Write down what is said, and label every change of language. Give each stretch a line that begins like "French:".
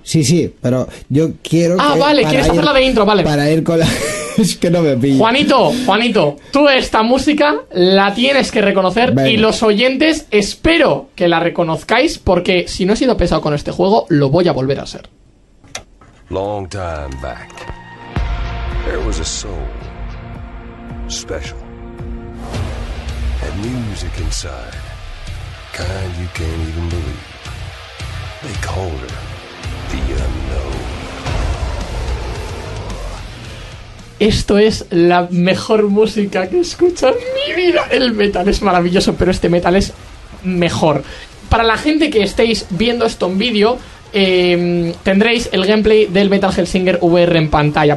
Spanish: Sí, pero yo quiero... Ah, vale, quieres hacerla de intro, vale. Para ir con la... es que no me pillo. Juanito, tú esta música la tienes que reconocer, vale. Y los oyentes espero que la reconozcáis, porque si no he sido pesado con este juego, lo voy a volver a ser.
English: Long time back, there was a soul special. Music inside, kind you can't even believe. They called her the unknown.
Spanish: Esto es la mejor música que he escuchado en mi vida. El metal es maravilloso, pero este metal es mejor. Para la gente que estéis viendo esto en vídeo, tendréis el gameplay del Metal Hellsinger VR en pantalla.